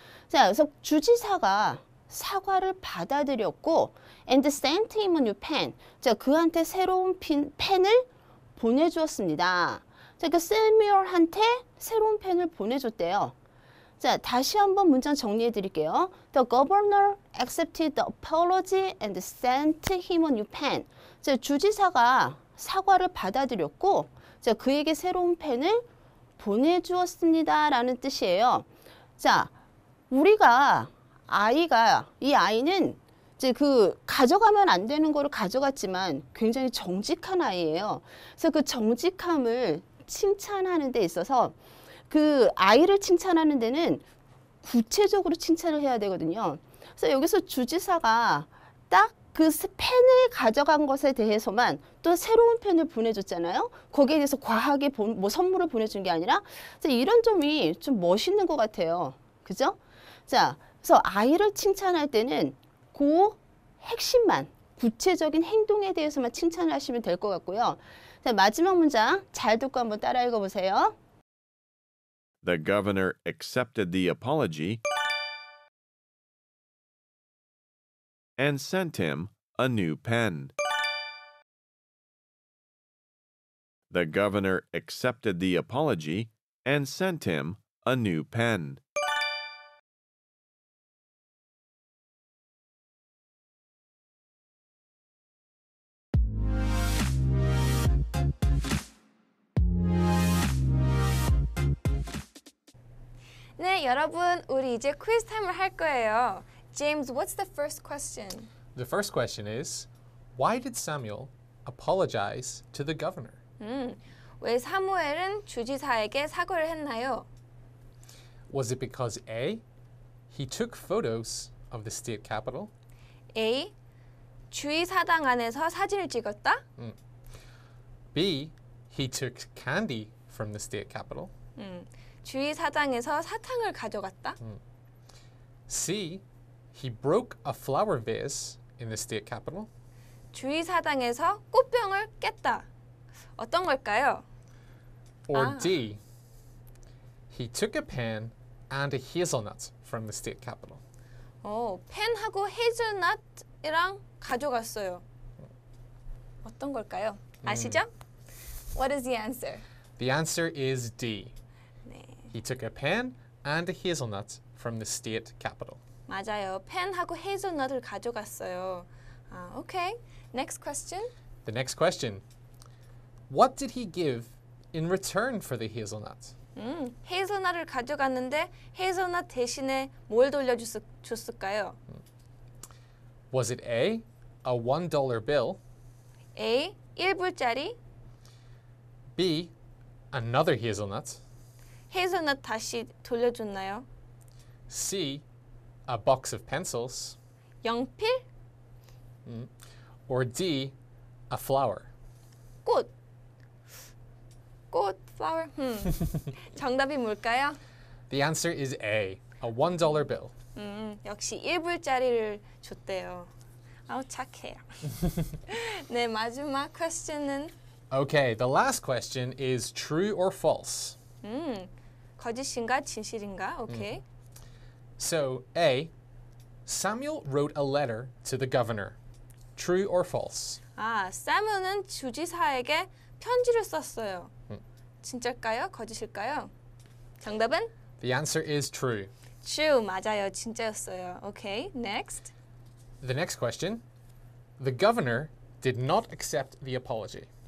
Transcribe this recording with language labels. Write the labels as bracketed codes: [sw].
[ko] 자, 그래서 주지사가 사과를 받아들였고 [en] and sent him a new pen. [ko] 자, 그한테 새로운 펜을 보내주었습니다. 자, 그 세뮤얼한테 새로운 펜을 보내줬대요. 자, 다시 한번 문장 정리해 드릴게요. [en] The governor accepted the apology and sent him a new pen. [ko] 자, 주지사가 사과를 받아들였고 자, 그에게 새로운 펜을 보내주었습니다. 라는 뜻이에요. 자, 우리가 아이가, 이 아이는 이제 그 가져가면 안 되는 거를 가져갔지만 굉장히 정직한 아이예요. 그래서 그 정직함을 칭찬하는 데 있어서 그 아이를 칭찬하는 데는 구체적으로 칭찬을 해야 되거든요. 그래서 여기서 주지사가 딱 그 펜을 가져간 것에 대해서만 또 새로운 펜을 보내줬잖아요. 거기에 대해서 과하게 뭐 선물을 보내준 게 아니라 그래서 이런 점이 좀 멋있는 것 같아요. 그죠? 자, 그래서 아이를 칭찬할 때는 그 핵심만, 구체적인 행동에 대해서만 칭찬을 하시면 될 것 같고요. 자, 마지막 문장 잘 듣고 한번 따라 읽어보세요. [en] The governor accepted the apology and sent him a new pen. The governor accepted the apology and sent him a new pen. [ko] 네, 여러분, 우리 이제 퀴즈 타임을 할 거예요. [en] James, what's the first question? The first question is, why did Samuel apologize to the governor? [ko] 왜 사무엘은 주지사에게 사과를 했나요? [en] Was it because A, he took photos of the state capital? [ko] A, 주의사당 안에서 사진을 찍었다? [en] B, he took candy from the state capital? [ko] 주의사당에서 사탕을 가져갔다. [en] C. He broke a flower vase in the state capital. [ko] 주의사당에서 꽃병을 깼다. 어떤 걸까요? [en] Or D. He took a pen and a hazelnut from the state capital. [ko] 펜하고 헤이즐넛이랑 가져갔어요. 어떤 걸까요? 아시죠? [en] What is the answer? The answer is D. He took a pen and a hazelnut from the state capital. [ko] 맞아요. 펜하고 헤이즐넛을 가져갔어요. [en] Okay. Next question. The next question. What did he give in return for the hazelnut? [ko] 헤이즐넛을 가져갔는데 헤이즐넛 대신에 뭘 돌려줬을까요? [en] Was it A, a $1 bill? [ko] A, 1불짜리. [en] B, another hazelnut. [ko] 헤이즐넛 다시 돌려줬나요? [en] see a box of pencils. [ko] 연필. [en] Or D, a flower. [ko] 꽃. 꽃, flower. 정답이 뭘까요? [en] The answer is A, a $1 bill. [ko] 역시 1불짜리를 줬대요. 아우 착해요. 네, 마지막 question은? [en] Okay, the last question is true or false. [ko] 거짓인가 진실인가? Okay. [en] So, A, Samuel wrote a letter to the governor. True or false? [ko] 아, 사무엘은 주지사에게 편지를 썼어요. 진짜일까요? 거짓일까요? 정답은? [en] The answer is true. True, [ko] 맞아요. 진짜였어요. [en] Okay, next. The next question. The governor did not accept the apology.